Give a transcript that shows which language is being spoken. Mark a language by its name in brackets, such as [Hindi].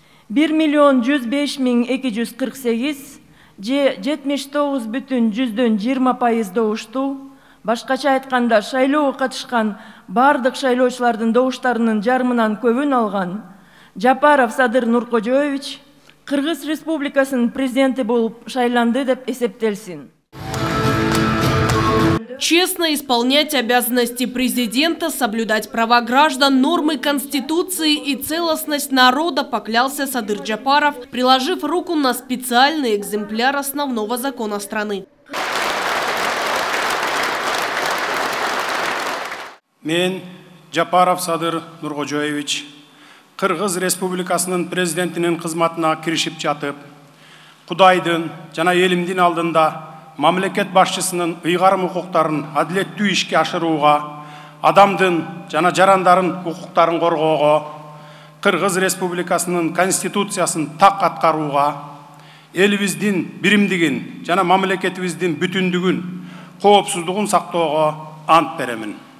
[Kyrgyz] 1,105,248 же 79,20% добушту, башкача айтканда шайлоого катышкан бардык шайлоочулардын добуштарынын жарымынан көбүн алган Жапаров Садыр Нуркожоевич Кыргыз Республикасынын президенти болуп шайланды деп эсептелсин. [Russian] Честно исполнять обязанности президента, соблюдать права граждан, нормы Конституции и целостность народа, поклялся Садыр Джапаров, приложив руку на специальный экземпляр основного закона страны. [Kyrgyz] Мен Жапаров Садыр Нуркожоевич, Кыргыз Республикасынын президентинин кызматына киришип жатып, Кудайдын жана элимдин алдында мамлекет башчысынын ыйгарым укуктарын адилеттүү ишке ашырууга, адамдын жана жарандарын укуктарын коргоого, Кыргыз Республикасынын конституциясын так аткарууга, элибиздин биримдигин жана мамлекетибиздин бүтүндүгүн, коопсуздугун сактоого ант беремин.